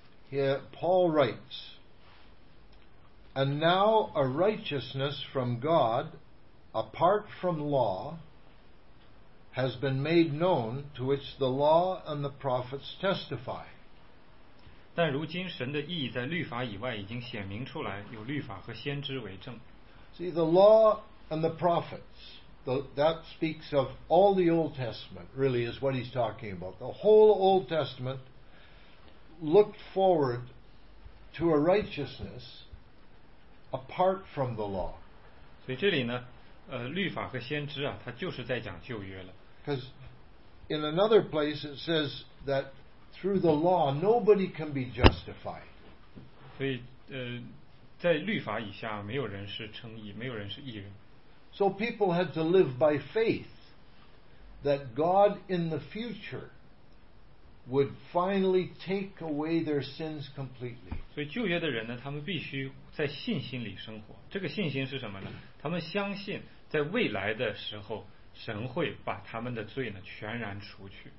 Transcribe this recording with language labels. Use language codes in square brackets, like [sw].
[en] here Paul writes, "And now a righteousness from God, apart from law, has been made known, to which the law and the prophets testify." [zh] 但如今神的义在律法以外已经显明出来，有律法和先知为证。 [en] See the law. And the prophets, that speaks of all the Old Testament, really is what he's talking about. The whole Old Testament looked forward to a righteousness apart from the law. So here, [zh] 律法和先知啊，他就是在讲旧约了。 [en] Because in another place it says that through the law nobody can be justified. So, [zh] 在律法以下没有人是称义，没有人是义人。 [en] So people had to live by faith that God in the future would finally take away their sins completely. [zh] 所以旧约的人呢，他们必须在信心里生活。这个信心是什么呢？他们相信在未来的时候，神会把他们的罪呢全然除去。